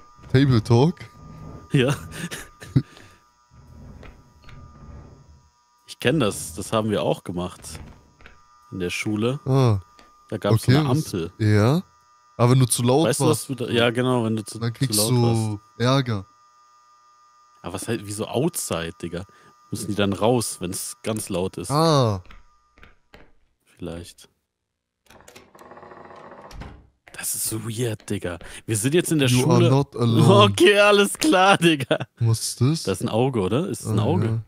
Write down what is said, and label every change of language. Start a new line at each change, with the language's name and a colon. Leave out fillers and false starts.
English: Fable Talk?
German: Ja. Ich kenne das. Das haben wir auch gemacht. In der Schule. Ah. Da gab es eine Ampel. Ja. Aber wenn du zu laut weißt, warst. Was du da, ja, genau, wenn du zu laut warst. Dann kriegst du Ärger. Aber was halt, wieso outside, Digga? Müssen die dann raus, wenn es ganz laut ist? Ah. Vielleicht. Das ist weird, Digga. Wir sind jetzt in der Schule.
English: You are not alone.
German: Okay, alles klar, Digga. Was ist das? Das ist ein Auge, oder? Ist das ein Auge?